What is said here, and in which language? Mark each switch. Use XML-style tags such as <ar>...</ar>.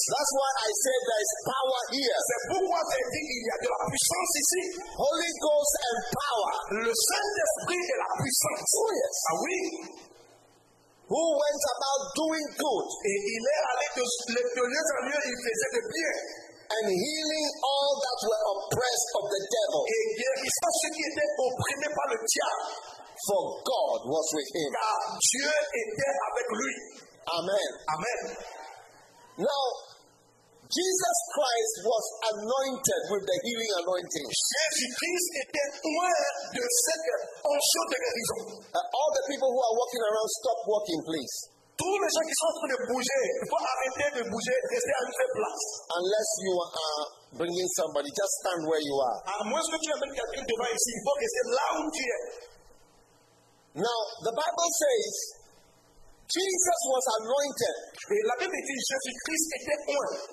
<en>That's why I said there is power here.</en> <fr>C'est pourquoi j'ai dit qu'il y a de la puissance ici.</fr> <en>Holy Ghost and power.</en> <fr>Le Saint-Esprit et la puissance.</fr> <en>Oh yes.</en> <fr>Ah oui.</fr> <en>Who went about doing good?</en> <fr>Et il est allé de lieu en lieu, il faisait le bien.</fr> <en>And healing all that were oppressed of the devil.</en> <fr>Et guérissant ceux qui étaient opprimés par le diable.</fr> <en>For God was with him.</en> <fr>Car Dieu était avec lui.</fr> <en>Amen.</en> <fr>Amen.</fr> <en>Now, Jesus Christ was anointed with the healing anointing.</en> <fr>Jésus-Christ était oint de cette onction de guérison.</fr> <en>All the people who are walking around, stop walking, please.</en> <fr>Tous les gens qui sont en train de bouger, il faut arrêter de bouger, rester à une seule place.</fr> <en>Unless you are bringing somebody, just stand where you are.</en> <fr>À moins que tu amènes quelqu'un devant ici, il faut rester là où tu es.</fr> <en>Now, the Bible says, Jesus was anointed.</en> <fr>Et la Bible dit, Jésus-Christ était oint.</fr>